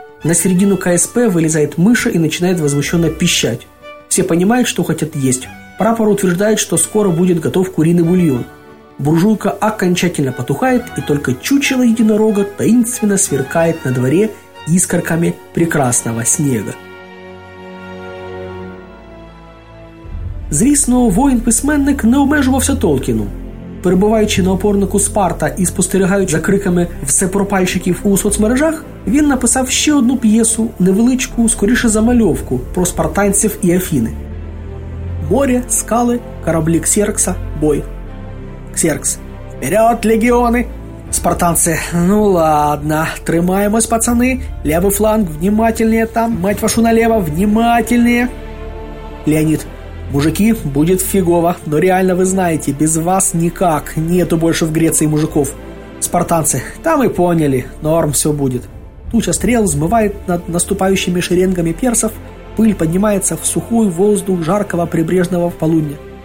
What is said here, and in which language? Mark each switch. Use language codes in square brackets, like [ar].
[ru] На середину КСП вылезает мыша и начинает возмущенно пищать. Все понимают, что хотят есть. Прапор утверждает, что скоро будет готов куриный бульон. Буржуйка окончательно потухает, и только чучело единорога таинственно сверкает на дворе искорками прекрасного снега. [uk] Звісно, воїн-письменник не обмежувався Толкіну. Перебуваючи на опорнику Спарта і спостерігаючи за криками всепропальщиків у соцмережах, він написав ще одну п'єсу, невеличку, скоріше замальовку, про спартанців і Афіни. «Море, скали, кораблі Ксеркса, бой». Ксеркс. «Вперед, легіони!» Спартанці. «Ну ладно, тримаємось, пацани. Левий фланг, внимательніше там. [ru] Мать вашу налево, внимательніше!» Леонід. «Мужики, будет фигово, но реально вы знаете, без вас никак, нету больше в Греции мужиков». Спартанцы. «Там и поняли, норм все будет». Туча стрел взмывает над наступающими шеренгами персов, пыль поднимается в сухой воздух жаркого прибрежного полудня.